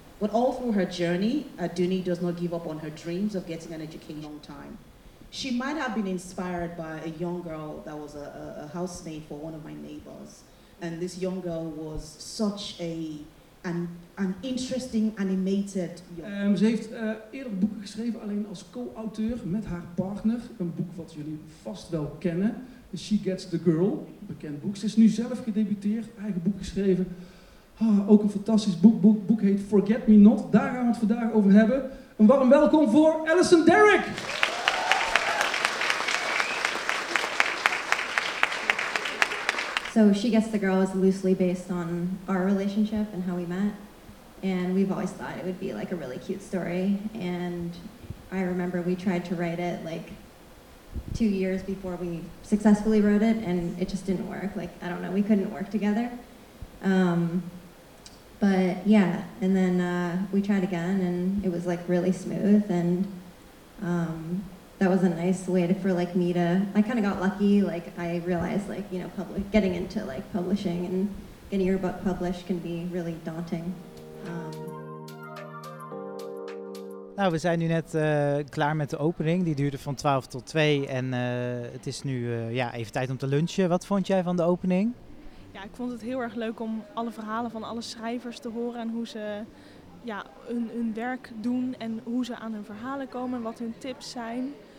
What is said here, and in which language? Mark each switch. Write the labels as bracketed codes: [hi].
[en] But all through her journey, Aduni does not give up on her dreams of getting an education long time. She might have been inspired by a young girl that was a housemaid for one of my neighbors, and this young girl was such an interesting, animated... [nl] Ze heeft eerder boeken geschreven, alleen als co-auteur met haar partner. Een boek wat jullie vast wel kennen. She Gets the Girl, een bekend boek. Ze is nu zelf gedebuteerd, eigen boek geschreven. Ah, ook een fantastisch boek. Boek heet Forget Me Not. Daar gaan we het vandaag over hebben. Een warm welkom voor Alyson Derrick. [en] So She Gets the Girl is loosely based on our relationship and how we met. And we've always thought it would be like a really cute story. And I remember we tried to write it like 2 years before we successfully wrote it, and it just didn't work. Like, I don't know, we couldn't work together. But yeah, and then we tried again and it was like really smooth. And that was a nice way to, for like me to, I kind of got lucky. Like I realized, like, you know, getting into like publishing and getting your book published can be really daunting. [nl] Nou, we zijn nu net klaar met de opening. Die duurde van 12 tot 2 en het is nu even tijd om te lunchen. Wat vond jij van de opening? Ja, ik vond het heel erg leuk om alle verhalen van alle schrijvers te horen en hoe ze hun werk doen en hoe ze aan hun verhalen komen en wat hun tips zijn.